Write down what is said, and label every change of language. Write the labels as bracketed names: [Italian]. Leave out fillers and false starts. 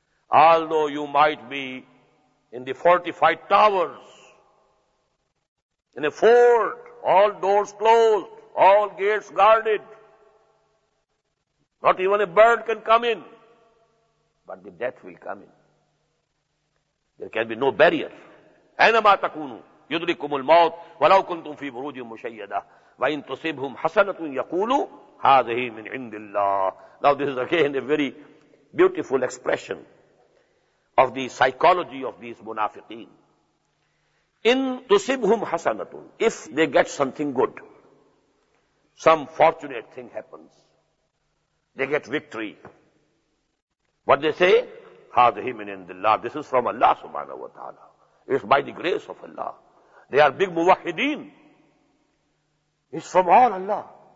[English] Although you might be in the fortified towers, in a fort, all doors closed, all gates guarded, not even a bird can come in, but the death will come in. There can be no barrier. [Arabic] أَيْنَمَا تَكُونُوا, يدركهم الموت ولو كنتم في بروج مشيدة وإن تصبهم حسنة يقولوا هذه من عند الله. [English] Now this is again a very beautiful expression of the psychology of these munafiqeen. [Arabic] إن تصبهم حسنة, [English] if they get something good, some fortunate thing happens, they get victory, what they say, [Arabic] هَذِهِ مِنْ عِنْدِ اللَّهِ, [English] this is from Allah subhanahu wa ta'ala, it's by the grace of Allah, they are big muwahideen, it's from all Allah.